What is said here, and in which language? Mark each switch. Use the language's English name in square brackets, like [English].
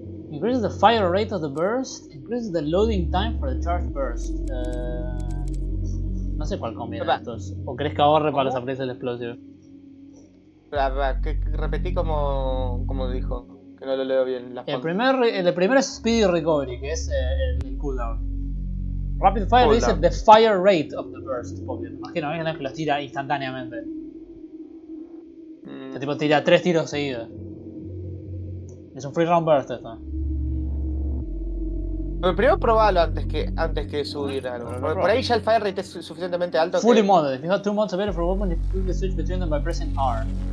[English] Increases the fire rate of the burst, increases the loading time for the charge burst. [Spanish] No sé cuál conviene a estos. ¿O crees que ahorre para los aprecios del explosivo? Repetí como dijo, que no lo leo bien. El primero es speedy recovery, que es el cooldown. [English] Rapid fire dice the fire rate of the burst. [Spanish] Porque me imagino que los tira instantáneamente. Este tipo tira 3 tiros seguidos. Es un free round burst esto. Pero primero probalo antes que subir algo. Por ahí ya el fire rate es suficientemente alto. [English] Fully modded. If you have 2 mods available for a weapon, you flip the switch between them by pressing R.